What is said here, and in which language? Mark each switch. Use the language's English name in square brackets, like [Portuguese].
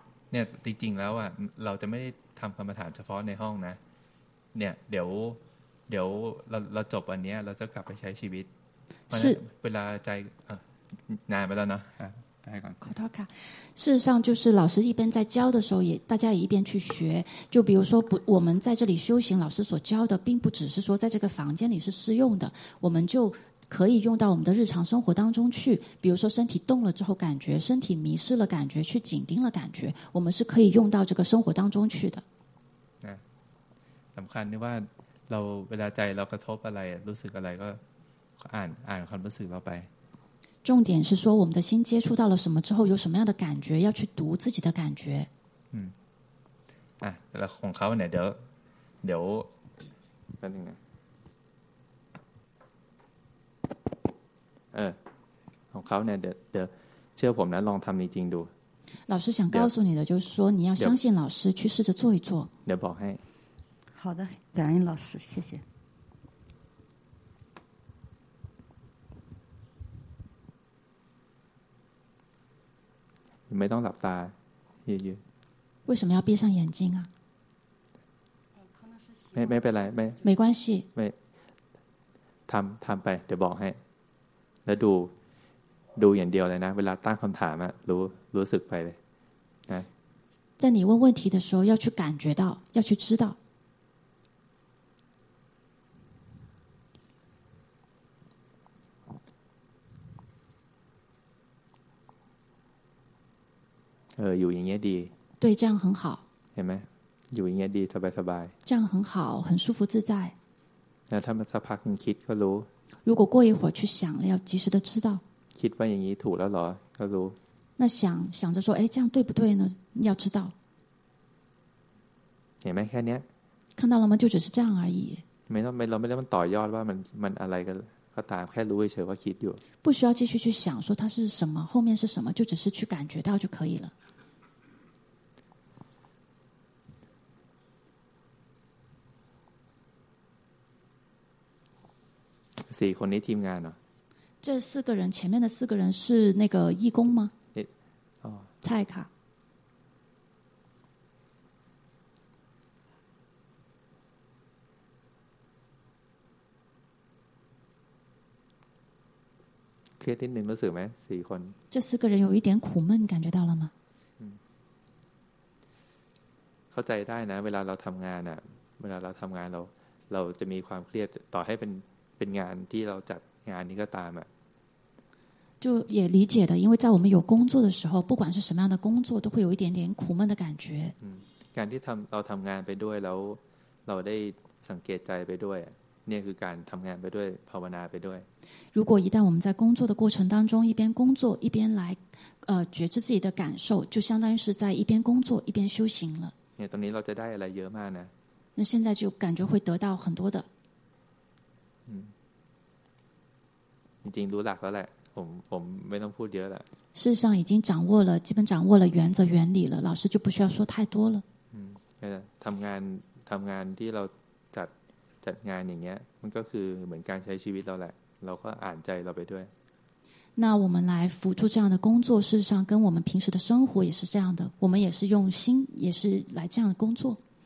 [Thai] เนี่ยจริงๆแล้วอ่ะเราจะไม่ได้ทํากรรมฐานเฉพาะในห้องนะเนี่ยเดี๋ยวเราจบอันนี้เราจะกลับไปใช้ชีวิตเวลาใจนานไปแล้วเนาะ ขอโทษค่ะ [Chinese] 事实上就是老师一边在教的时候也大家也一边去学就比如说不我们在这里修行老师所教的并不只是说在这个房间里是适用的我们就可以用到我们的日常生活当中去比如说身体动了之后感觉身体迷失了感觉去紧盯了感觉我们是可以用到这个生活当中去的 [Thai] สำคัญที่ว่าเราเวลาใจเรากระทบอะไรรู้สึกอะไรก็อ่านความรู้สึกเราไป [Chinese] 重点是说我们的心接触到了什么之后有什么样的感觉要去读自己的感觉 [Thai] แล้วของเขาเนี่ยเดี๋ยวแป๊บนึงนะของเขาเนี่ยเดี๋ยวเชื่อผมนะลองทำจริงดู [Chinese] 老师想告诉你的就是说你要相信老师去试着做一做 [Thai] เดี๋ยวบอกให้ [Chinese] 好的，感恩老师，谢谢。你没当老大，爷爷。为什么要闭上眼睛啊？没关系。没， [Thai] ทำไปเดี๋ยวบอกให้แล้วดูอย่างเดียวเลยนะเวลาตั้งคำถามอะรู้สึกไปเลยนะ [Chinese] 在你问问题的时候，要去感觉到，要去知道。 [Thai] อยู่อย่างเงี้ยดี [Chinese] 对这样很好 [Thai] เห็นไหมอยู่อย่างเงี้ยดีสบาย [Chinese] ๆ这样很好很舒服自在 [Thai] แล้วถ้ามันสักพักมันคิดก็รู้ [Chinese] 如果过一会儿去想了要及时的知道 [Thai] คิดว่าอย่างนี้ถูกแล้วหรอก็รู้ [Chinese] 那想着说哎这样对不对呢要知道 [Thai] เห็นไหมแค่เนี้ย [Chinese] 看到了吗就只是这样而已 [Thai] ไม่ต้องต่อยอดว่ามันอะไรก็ตามแค่รู้เฉยว่าคิดอยู่ [Chinese] 不需要继续去想说它是什么后面是什么就只是去感觉到就可以了 [Thai] สี่คนนี้ทีมงานเหรอ [Chinese] 这四个人前面的四个人是那个义工吗蔡卡 [Thai] เครียดนิดนึงรู้สึกไหมสี่คน [Chinese] 这四个人有一点苦闷感觉到了吗 [Thai] เข้าใจได้นะเวลาเราทำงานอ่ะเวลาเราทำงานเราจะมีความเครียดต่อให้เป็นงานที่เราจัดงานนี้ก็ตามอ่ะ [Chinese] 就也理解的因为在我们有工作的时候不管是什么样的工作都会有一点点苦闷的感觉 [Thai] การที่เราทำงานไปด้วยแล้วเราได้สังเกตใจไปด้วยเนี่ยคือการทำงานไปด้วยภาวนาไปด้วย [Chinese] 如果一旦我们在工作的过程当中一边工作一边来觉知自己的感受就相当于是在一边工作一边修行了 [Thai] เนี่ยตรงนี้เราจะได้อะไรเยอะมากนะ [Chinese] 那现在就感觉会得到很多的 [Thai] จริงรู้หลักแล้วแหละผมไม่ต้องพูดเยอะแล้ว [Chinese] 事实上已经掌握了基本掌握了原则原理了老师就不需要说太多了 [Thai] ทำงานที่เราจัดงานอย่างเงี้ยมันก็คือเหมือนการใช้ชีวิตเราแหละเราก็อ่านใจเราไปด้วย [Chinese] 那我们来辅助这样的工作事实上跟我们平时的生活也是这样的我们也是用心也是来这样的工作